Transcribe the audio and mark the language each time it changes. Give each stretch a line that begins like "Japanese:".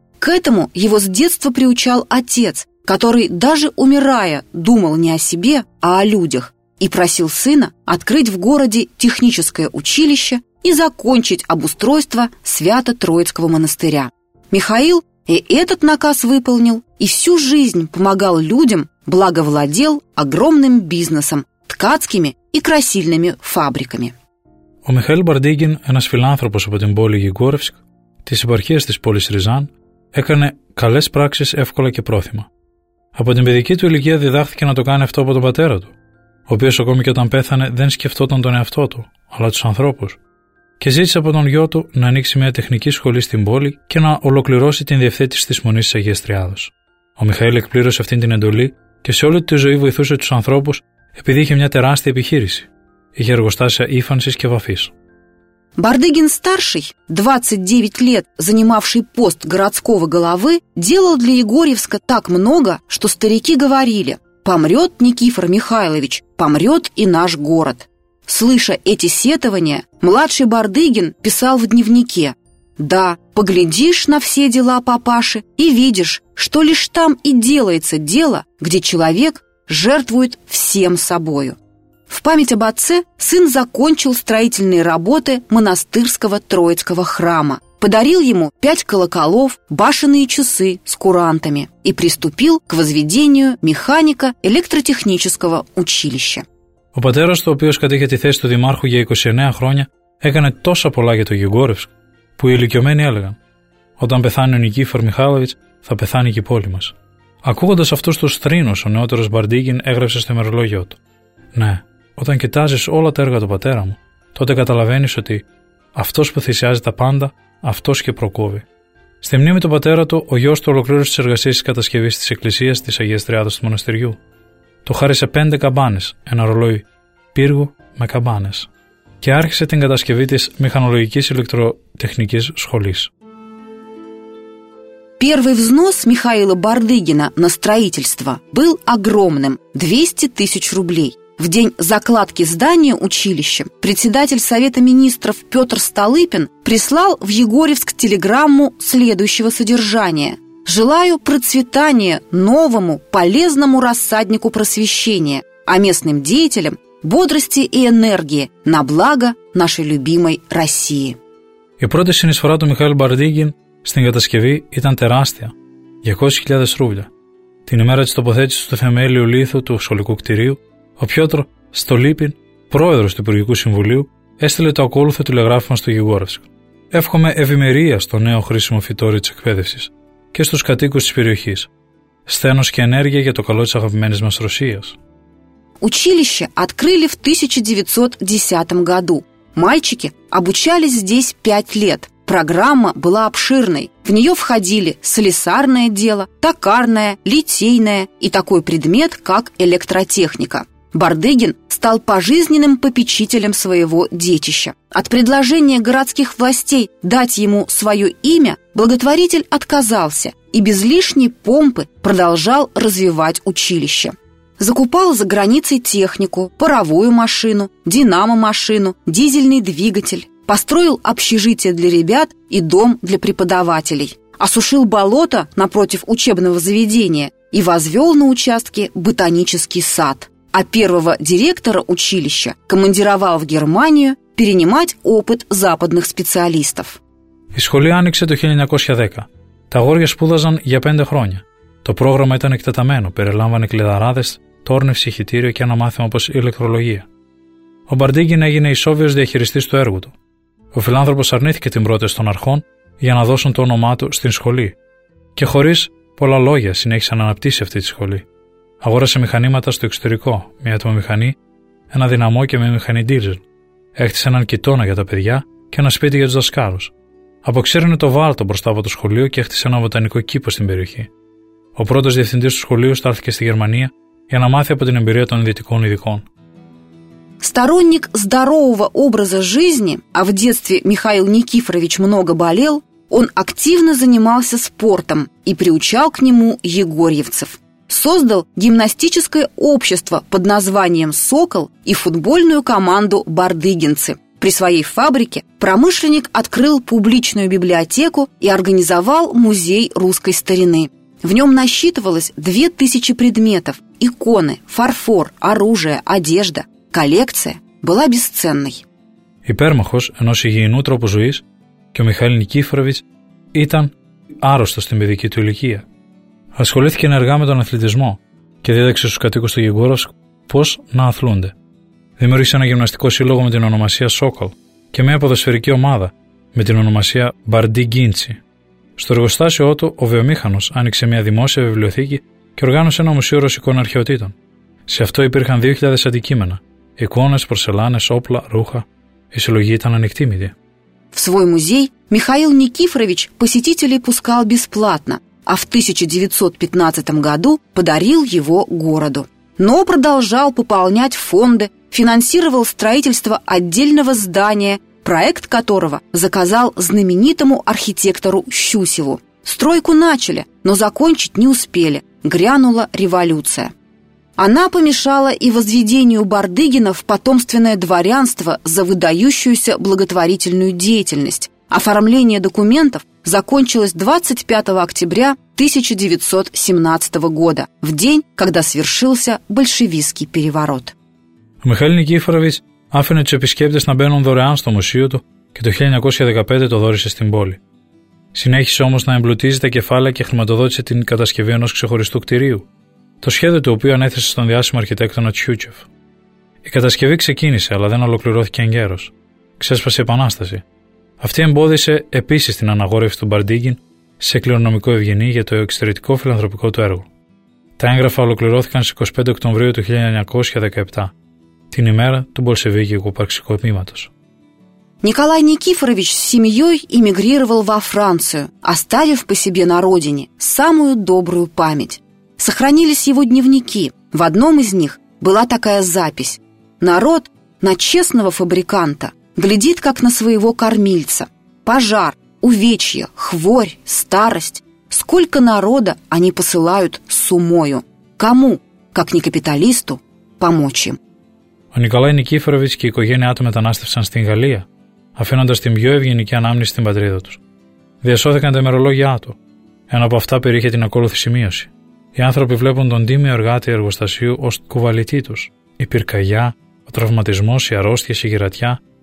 Russian: К этому его с детства приучал отец, который, даже умирая, думал не о себе, а о людях, и просил сына открыть в городе техническое училище и закончить обустройство Свято-Троицкого монастыря. Михаил и этот наказ выполнил, и всю жизнь помогал людям, благовладел огромным бизнесом, ткацкими и красильными фабриками.
Greek: Ο Μιχαήλ Μπαρντίγκιν, ένας φιλάνθρωπος από την πόλη Γιγόρευσκ, της επαρχίας της πόλης Ριζάν, έκανε καλές πράξεις εύκολα και πρόθυμα. Από την παιδική του ηλικία διδάχθηκε να το κάνει αυτό από τον πατέρα του, ο οποίος ακόμη και όταν πέθανε δεν σκεφτόταν τον εαυτό του, αλλά τους ανθρώπους, και ζήτησε από τον γιο του να ανοίξει μια τεχνική σχολή στην πόλη και να ολοκληρώσει την διευθέτηση της Μονής της Αγίας Τριάδος. Ο Μιχαήλ εκπλήρωσε αυτήν την εντολή και σε όλη τη ζωή βοηθούσε τους ανθρώπους επειδή είχε μια τεράστια επιχείρηση. Είχε εργοστάσια ύφανσης και βαφής.
Russian: Бардыгин-старший, 29 лет занимавший пост городского головы, делал для Егорьевска так много, что старики говорили: «Помрет Никифор Михайлович, помрет и наш город». Слыша эти сетования, младший Бардыгин писал в дневнике: «Да, поглядишь на все дела папаши и видишь, что лишь там и делается дело, где человек жертвует всем собою». В память об отце сын закончил строительные работы монастырского Троицкого храма, подарил ему 5 колоколов, башенные часы с курантами и приступил к возведению механико-электротехнического училища.
Greek: Ο πατέρας του, ο οποίος κατήχε τη θέση του Δημάρχου για 29 χρόνια, έκανε τόσα πολλά για το Γιουγκόρευσκ, που οι ηλικιωμένοι έλεγαν: «Όταν πεθάνει ο Νικήφορ Μιχάλοβιτς, θα πεθάνει και η πόλη μας». Ακούγοντας αυτούς τους θρήνους, ο νεότερος Μπαρντίγκιν έγραψε στο ημερολόγιο του: «Ναι, όταν κοιτάζεις όλα τα έργα του πατέρα μου, τότε καταλαβαίνεις ότι αυτός που θυσιάζει τα πάντα, αυτός και προκόβει». Στη μνήμη του πατέρα του, ο γιος του ολοκλήρωσε τις εργασίες της κατασκευής της εκκλησίας της Αγίας Τριάδος του μοναστηριού. Του χάρισε 5 καμπάνες, ένα ρολόι πύργου με καμπάνες, και άρχισε την κατασκευή της μηχανολογικής ηλεκτροτεχνικής σχολής.
Russian: Первый взнос Михаила Бардыгина на строительство был огромным – 200 тысяч рублей. В день закладки здания училища председатель Совета министров Петр Столыпин прислал в Егорьевск телеграмму следующего содержания: «Желаю процветания новому полезному рассаднику просвещения, а местным деятелям – бодрости и энергии на благо нашей любимой России». И первая
Greek: συνεισφορά του Михаила Бардыгина στην κατασκευή ήταν τεράστια, 200.000 ρούβλια. Την ημέρα της τοποθέτησης του θεμέλιου λίθου του σχολικού κτηρίου, ο Πιότρο Στολίπιν, πρόεδρος του Υπουργικού Συμβουλίου, έστειλε το ακόλουθο τηλεγράφημα στο Γιουγκόρευσκ: «Εύχομαι ευημερία στο νέο χρήσιμο φυτώριο της εκπαίδευσης και στους κατοίκους της περιοχής. Σθένος και ενέργεια για το καλό της αγαπημένης μας Ρωσίας».
Russian: Училище открыли в 1910 году. Мальчики обучались здесь 5 лет. Программа была обширной. В нее входили слесарное дело, токарное, литейное и такой предмет, как электротехника. Бардыгин стал пожизненным попечителем своего детища. От предложения городских властей дать ему свое имя благотворитель отказался и без лишней помпы продолжал развивать училище. Закупал за границей технику, паровую машину, динамо-машину, дизельный двигатель. Построил общежитие для ребят и дом для преподавателей. Осушил болото напротив учебного заведения и возвел на участке ботанический сад. А первого директора училища командировал в Германию перенимать опыт западных специалистов.
Greek: Η σχολή άνοιξε το 1910. Τα αγόρια σπούδαζαν για 5 χρόνια. Το πρόγραμμα ήταν εκτεταμένο, περιλάμβανε κλειδαράδες, τόρνευση, χιτήριο και ένα μάθημα όπως ηλεκτρολογία. Ο Μπαρντίγκιν έγινε ισόβιος διαχειριστής του έργου του. Ο φιλάνθρωπος αρνήθηκε την πρόταση των αρχών για να δώσουν το όνομά του στην σχολή και χωρίς πολλά λόγια συνέχισε να αναπτύσσει αυτή τη σχολή. Αγόρασε μηχανήματα στο εξωτερικό, μια ατμομηχανή, ένα δυναμό και μια μηχανή ντίζελ. Έχτισε έναν κοιτώνα για τα παιδιά και ένα σπίτι για τους δασκάλους. Αποξήρανε το βάλτο μπροστά από το σχολείο και έχτισε ένα βοτανικό κήπο στην περιοχή. Ο πρώτος διευθυντής του σχολείου στάθηκε στη Γερμανία για να μάθει από την εμπειρία των δυτικών ειδικών.
Russian: Сторонник здорового образа жизни, а в детстве Михаил Никифорович много болел, он активно занимался спортом и приучал к нему егорьевцев. Создал гимнастическое общество под названием «Сокол» и футбольную команду «Бардыгинцы». При своей фабрике промышленник открыл публичную библиотеку и организовал музей русской старины. В нем насчитывалось 2000 предметов – иконы, фарфор, оружие, одежда. Коллекция была бесценной.
Greek: Υπέρμαχος ενός υγιεινού τρόπου ζωής και ο Μιχάλης Νικήφοροβιτς ήταν άρρωστος στην παιδική του ηλικία. Ασχολήθηκε ενεργά με τον αθλητισμό και δίδαξε στους κατοίκους του Γιουγκόρευσκ πώς να αθλούνται. Δημιούργησε ένα γυμναστικό σύλλογο με την ονομασία Σόκολ και μια ποδοσφαιρική ομάδα με την ονομασία Μπαρντιγκίντσι. Στο εργοστάσιο του, ο βιομήχανος άνοιξε μια δημόσια βιβλιοθήκη και οργάνωσε ένα μουσείο ρωσικών αρχαιοτήτων. Σε αυτό υπήρχαν 2.000 αντικείμενα, εικόνες, πορσελάνες, όπλα, ρούχα. Η συλλογή ήταν ανεκτήμητη.
Russian: В свой музей Михаил Никифорович посетителей пускал бесплатно, а в 1915 году подарил его городу. Но продолжал пополнять фонды, финансировал строительство отдельного здания проект которого заказал знаменитому архитектору Щусеву. Стройку начали, но закончить не успели. Грянула революция. Она помешала и возведению Бардыгина в потомственное дворянство за выдающуюся благотворительную деятельность. Оформление документов закончилось 25 октября 1917 года, в день, когда свершился большевистский переворот.
Greek: Михаил Никифорович άφηνε τους επισκέπτες να μπαίνουν δωρεάν στο μουσείο του και το 1915 το δώρισε στην πόλη. Συνέχισε όμως να εμπλουτίζει τα κεφάλαια και χρηματοδότησε την κατασκευή ενός ξεχωριστού κτηρίου, το σχέδιο του οποίου ανέθεσε στον διάσημο αρχιτέκτονα Τσιούτσεφ. Η κατασκευή ξεκίνησε, αλλά δεν ολοκληρώθηκε εν γέρος. Ξέσπασε η επανάσταση. Αυτή εμπόδισε επίσης την αναγόρευση του Μπαρντίγκιν σε κληρονομικό ευγενή για το εξαιρετικό φιλανθρωπικό του έργο. Τα έγγραφα ολοκληρώθηκαν στις 25 Οκτωβρίου του 1917. Την ημέρα του Μπολσεβίκικου πραξικοπήματος.
Russian: Николай Никифорович с семьей эмигрировал во Францию, оставив по себе на родине самую добрую память. Сохранились его дневники. В одном из них была такая запись: «Народ на честного фабриканта глядит, как на своего кормильца. Пожар, увечья, хворь, старость. Сколько народа они посылают с умою. Кому, как не капиталисту, помочь им?»
Greek: Ο Николай Никифорович και η οικογένειά του μετανάστευσαν στην Γαλλία, αφήνοντας την πιο ευγενική ανάμνηση στην πατρίδα τους. Διασώθηκαν τα ημερολόγια του. Ένα από αυτά περιείχε την ακόλουθη σημείωση. Οι άνθρωποι βλέπουν τον τίμιο εργάτη εργοστασίου ως κουβαλητή τους. Η πυρκαγιά, ο τραυματισμός, οι αρρώστιες, η γερατιά.